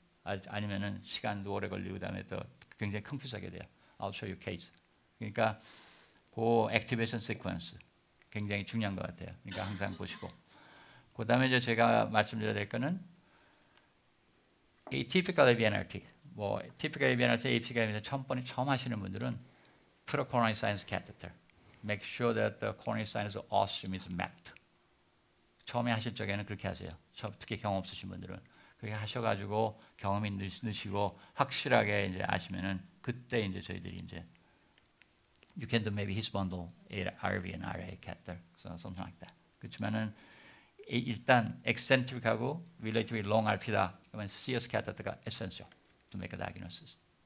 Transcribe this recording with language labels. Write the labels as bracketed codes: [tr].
[ko] 아니면은 시간도 오래 걸리고 그다음에 또 굉장히 컴퓨터하게 돼요. [en] I'll show you case. [ko] 그러니까 그 액티베이션 시퀀스 굉장히 중요한 것 같아요. 그러니까 항상 보시고 그다음에 이제 제가 말씀드려야 될 거는 atypical AVNRT. 뭐 typical AVNRT, atypical AVNRT 처음 하시는 분들은 [en] put a coronary sinus catheter. Make sure that the coronary sinus ostium is mapped. [ko] 처음에 하실 적에는 그렇게 하세요. 특히 경험 없으신 분들은 그렇게 하셔가지고 경험이 늘으시고 확실하게 이제 아시면은 그때 이제 저희들이 이제 [en] you can do maybe his bundle RV and RA catheter, so something like that. [ko] 그렇지만은 일단 eccentric하고 relatively long RP다. 그러면 CS catheter가 [en] essential to make a diagnosis.